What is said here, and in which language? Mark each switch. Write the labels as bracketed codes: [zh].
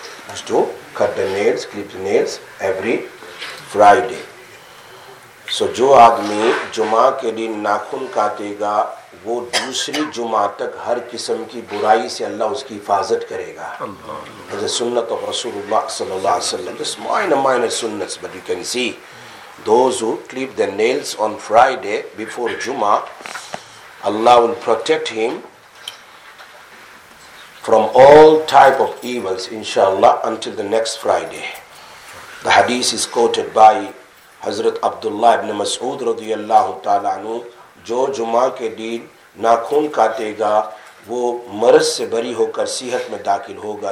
[en] Used to cut the nails, clip the nails every Friday. [ur] So, جو آدمی جمعہ کے دن ناخن کاتے گا وہ دوسری جمعہ تک ہر قسم کی برائی سے اللہ اس کی حفاظت کرے گا. [en] As a sunnat of Rasulullah صلی اللہ علیہ وسلم. Just minor sunnats, but you can see those who clip the nails on Friday before Jummah, Allah will protect him from all type of evils, inshallah, until the next Friday. The hadith is quoted by Hazrat Abdullah ibn Mas'ud radiyallahu ta'ala anhu, [ur] جو جمعہ کے دین ناخون کاتے گا وہ مرض سے بری ہو کر صحت میں داخل ہوگا.